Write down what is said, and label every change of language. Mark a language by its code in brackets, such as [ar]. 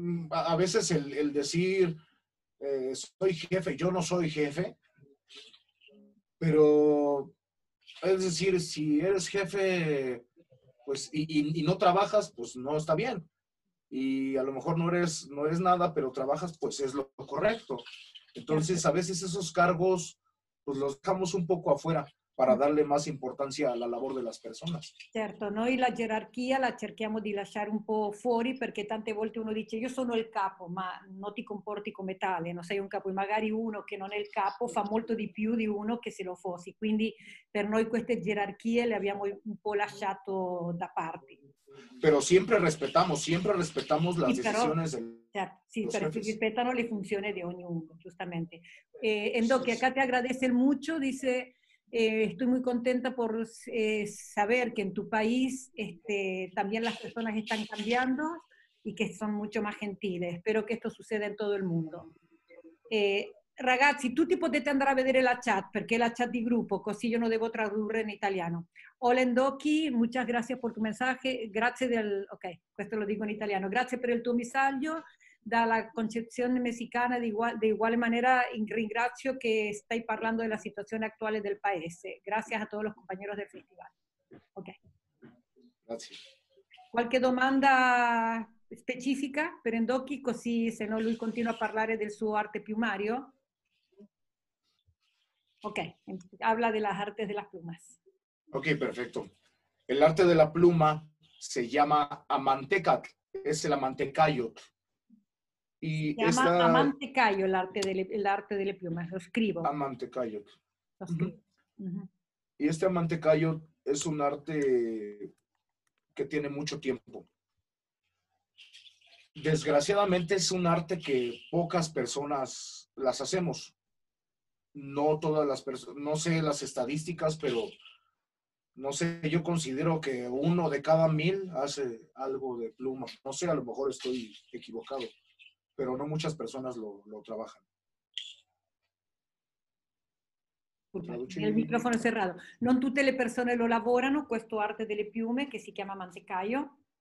[es] a veces el decir, soy jefe, yo no soy jefe, pero es decir, si eres jefe pues y no trabajas, pues no está bien. Y a lo mejor no eres nada, pero trabajas, pues es lo correcto. Entonces, a veces esos cargos, pues los dejamos un poco afuera para darle más importancia a la labor de las personas. Cierto, ¿no? Y la jerarquía la [it] cerchiamos de lasciar un po' fuori, porque tante volte uno dice, yo sono il capo, ma non ti comporti come tale, no sei un capo. E magari uno che non è il capo fa molto di più di uno che se lo fosse. Quindi, per noi queste gerarchie le abbiamo un po' lasciato da parte. [es] Pero siempre respetamos las decisiones claro, sí, pero jefes. Se respetan las funciones de uno, justamente. Endo, que acá te agradece mucho, dice, estoy muy contenta por saber que en tu país también las personas están cambiando y que son mucho más gentiles. Espero que esto suceda en todo el mundo. [it] Ragazzi, tutti potete andare a vedere la chat, perché è la chat di gruppo, così io non devo tradurre in italiano. [es] Hola Endoki, muchas gracias por tu mensaje, [it] grazie del... Ok, questo lo dico in italiano. Grazie per il tuo messaggio, dalla concezione messicana di uguale maniera ringrazio che stai parlando della situazione attuale del paese. Grazie a tutti i compagni del festival. Ok. Grazie. Qualche domanda specifica per Endoki, così se no lui continua a parlare del suo arte piumario? [es] Ok, habla de las artes de las plumas. Ok, perfecto. El arte de la pluma se llama amantecat, es el amantecayot. Y se llama esta... amantecayot el arte de la pluma, lo escribo. Amantecayot. Uh-huh. Y este amantecayot es un arte que tiene mucho tiempo. Desgraciadamente es un arte que pocas personas las hacemos. No todas las personas, no sé las estadísticas, pero no sé, yo considero que uno de cada 1,000 hace algo de pluma. No sé, a lo mejor estoy equivocado, pero no muchas personas lo trabajan. El micrófono cerrado. [it] No tutte le persone lo lavorano, questo arte delle piume, che si chiama mantecaio.